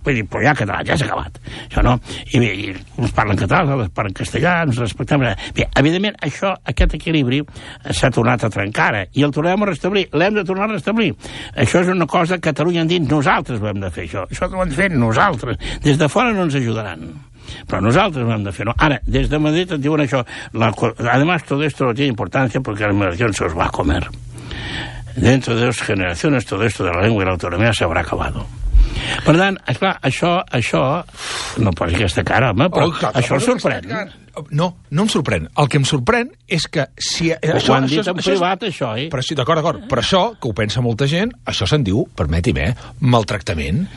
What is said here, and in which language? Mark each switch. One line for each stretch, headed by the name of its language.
Catalan: Vull dir, però hi ha catalans, ja s'ha acabat, això no? I uns parlen catalans, altres parlen castellans, ens respectem... Bé, evidentment, això, aquest equilibri s'ha tornat a trencar, i el tornem a restablir, l'hem de tornar a restablir. Això és una cosa que Catalunya endins, nosaltres ho hem de fer, això ho hem de fer. Nosaltres, des de fora no ens ajudaran, però nosaltres ho hem de fer, no? Ara, des de Madrid et diuen això,
Spanish: además todo esto no tiene importancia porque la migración se os va a comer. Dentro de dos generaciones todo esto de la lengua y la autonomía se habrá acabado.
Catalan: Per tant, esclar, això no posi aquesta cara, home, però això em sorprèn. No em sorprèn. El que em sorprèn és que si... Ho han dit en privat, això, eh? Però sí, d'acord. Però això, que ho pensa molta gent, això se'n diu, permeti'm, maltractament.